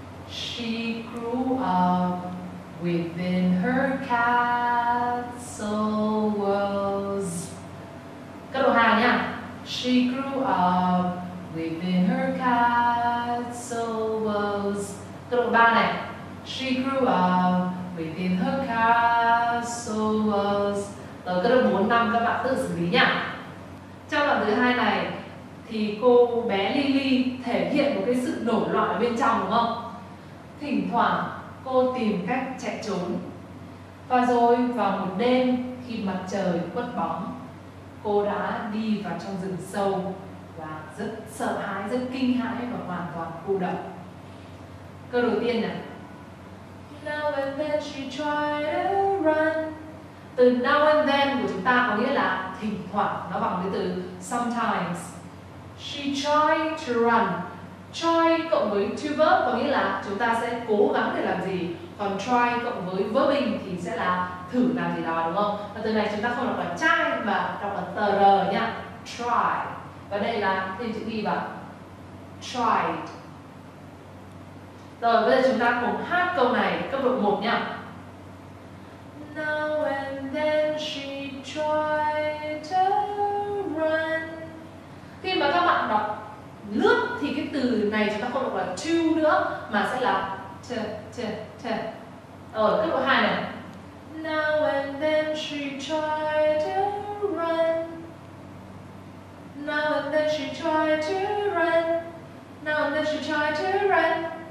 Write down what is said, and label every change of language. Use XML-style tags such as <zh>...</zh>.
<en>She grew up within her castle walls.</en> <vi>Cấp độ 2 nhá.</vi> <en>She grew up within her castle walls.</en> <vi>Cấp độ 3 này.</vi> <en>She grew up within her castle walls.</en> <vi>Rồi cấp độ 4, 5 các bạn tự xử lý nhá. Trong đoạn thứ 2 này thì cô bé Lily thể hiện một cái sự nổi loạn ở bên trong đúng không? Thỉnh thoảng cô tìm cách chạy trốn. Và rồi vào một đêm khi mặt trời khuất bóng, cô đã đi vào trong rừng sâu và rất sợ hãi, rất kinh hãi và hoàn toàn cô độc. Câu đầu tiên này.</vi> <en>Now and then she tried to run.</en> <vi>Từ now and then của chúng ta có nghĩa là thỉnh thoảng, nó bằng cái từ sometimes.</vi> <en>She tried to run.</en> <vi>Try cộng với to verb có nghĩa là chúng ta sẽ cố gắng để làm gì. Còn try cộng với verbing thì sẽ là thử làm gì đó đúng không? Và từ này chúng ta không đọc là try mà đọc là tờ r nhá. Try. Và đây là thêm chữ y vào. Tried. Rồi bây giờ chúng ta cùng hát câu này cấp độ 1 nhá.</vi> <en>Now and then she tried to run.</en> <vi>Khi mà các bạn đọc lướt thì cái từ này chúng ta không đọc là to nữa mà sẽ là to, to, to. Rồi, cấp độ 2 này.</vi> <en>Now and then she tried to run. Now and then she tried to run. Now and then she tried to run.</en>